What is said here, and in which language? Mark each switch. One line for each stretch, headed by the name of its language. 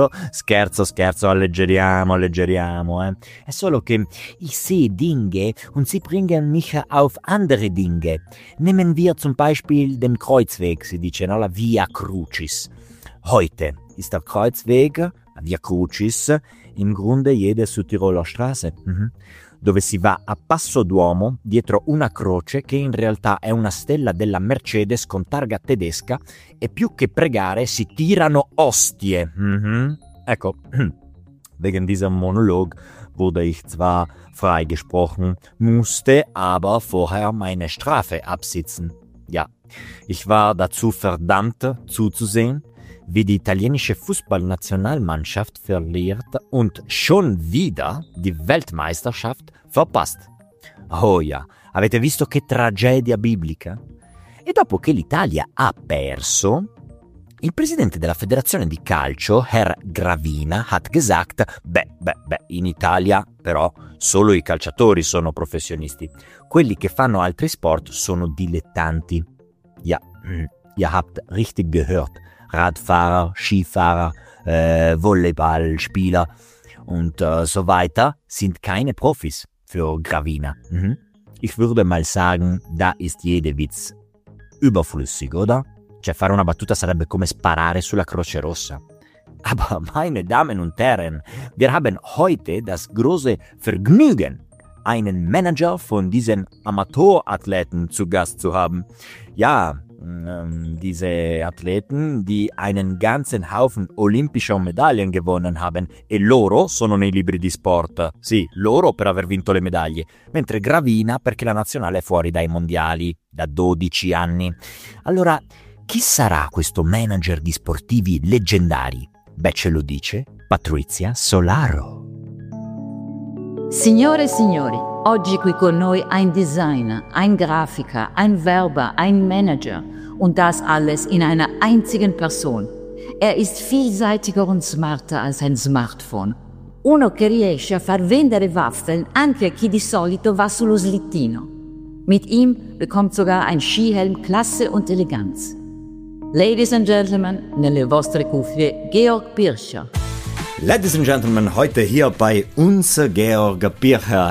Italian: Scherzo, alleggeriamo. È solo che
German: ich sehe Dinge und sie bringen mich auf andere Dinge. Nehmen wir zum Beispiel den Kreuzweg,
Italian: si dice, no? La Via Crucis.
German: Heute ist der Kreuzweg,
Italian: la Via Crucis,
German: im Grunde jede Südtiroler Straße.
Italian: Dove si va a passo d'uomo dietro una croce che in realtà è una stella della Mercedes con targa tedesca e più che pregare si tirano ostie. Ecco,
German: wegen diesem Monolog wurde ich zwar freigesprochen, musste aber vorher meine Strafe absitzen. Ja, ich war dazu verdammt zuzusehen, wie die italienische Fußballnationalmannschaft verliert und schon wieder die Weltmeisterschaft verpasst. Oh ja,
Italian: avete visto che tragedia biblica? E dopo che l'Italia ha perso, il presidente della federazione di calcio, Herr Gravina,
German: hat gesagt,
Italian: beh, in Italia però solo i calciatori sono professionisti. Quelli che fanno altri sport sono dilettanti.
German: Ja, ihr habt richtig gehört. Radfahrer, Skifahrer, Volleyballspieler und so weiter sind keine Profis für Gravina. Ich würde mal sagen, da ist jede Witz überflüssig, oder?
Italian: Cioè, fare una battuta sarebbe come sparare sulla Croce Rossa.
German: Aber meine Damen und Herren, wir haben heute das große Vergnügen, einen Manager von diesen Amateurathleten zu Gast zu haben. Ja, diese Athleten, die einen ganzen Haufen olympischer Medaillen gewonnen haben,
Italian: e loro sono nei libri di sport. Sì, loro per aver vinto le medaglie, mentre Gravina perché la nazionale è fuori dai mondiali da 12 anni. Allora, chi sarà questo manager di sportivi leggendari? Beh, ce lo dice Patrizia Solaro. Signore e signori, oggi qui con noi
German: ein Designer, ein Grafiker, ein Werber, ein Manager und das alles in einer einzigen Person. Er ist vielseitiger und smarter als ein Smartphone
Italian: uno che riesce a far vendere Waffeln anche a chi di solito va sullo slittino.
German: Mit ihm bekommt sogar ein Skihelm Klasse und Eleganz.
English: Ladies and Gentlemen,
Italian: nelle vostre cuffie, Georg Pirscher.
English: Ladies and Gentlemen,
German: heute hier bei uns Georg Pirscher.